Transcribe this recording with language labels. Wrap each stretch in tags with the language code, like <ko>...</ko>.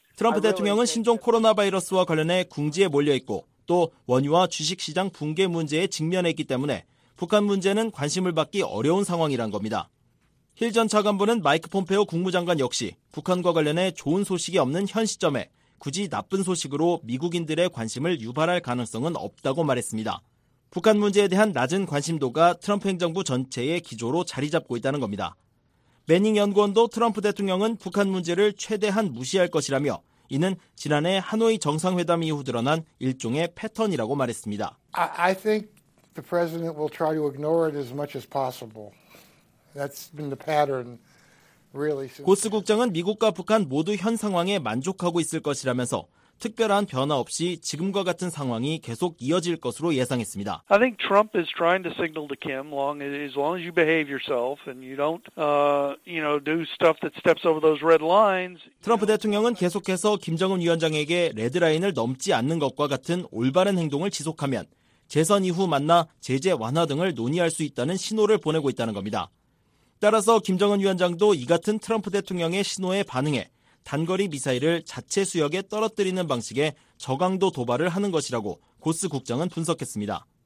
<ko>트럼프 대통령은 신종 코로나 바이러스와 관련해 궁지에 몰려 있고 또 원유와 주식 시장 붕괴 문제에 직면했기 때문에 북한 문제는 관심을 받기 어려운 상황이란 겁니다. 힐 전 차관보는 마이크 폼페오 국무장관 역시 북한과 관련해 좋은 소식이 없는 현 시점에 굳이 나쁜 소식으로 미국인들의 관심을 유발할 가능성은 없다고 말했습니다. 북한 문제에 대한 낮은 관심도가 트럼프 행정부 전체의 기조로 자리 잡고 있다는 겁니다. 매닝 연구원도 트럼프 대통령은 북한 문제를 최대한 무시할 것이라며 이는 지난해 하노이 정상회담 이후 드러난 일종의 패턴이라고 말했습니다.</ko> <en>I think the president will try to ignore it as much as possible. That's been the pattern.</en> <ko>고스 국장은 미국과 북한 모두 현 상황에 만족하고 있을 것이라면서 특별한 변화 없이 지금과 같은 상황이 계속 이어질 것으로 예상했습니다.</ko> <en>I think Trump is trying to signal to Kim as long as you behave yourself and you don't do stuff that steps over those red lines.</en> <ko>트럼프 대통령은 계속해서 김정은 위원장에게 레드라인을 넘지 않는 것과 같은 올바른 행동을 지속하면 재선 이후 만나 제재 완화 등을 논의할 수 있다는 신호를 보내고 있다는 겁니다. 따라서 김정은 위원장도 이 같은 트럼프 대통령의 신호에 반응해 단거리 미사일을 자체 수역에 떨어뜨리는 방식의 저강도 도발을 하는 것이라고 고스 국장은 분석했습니다.</ko>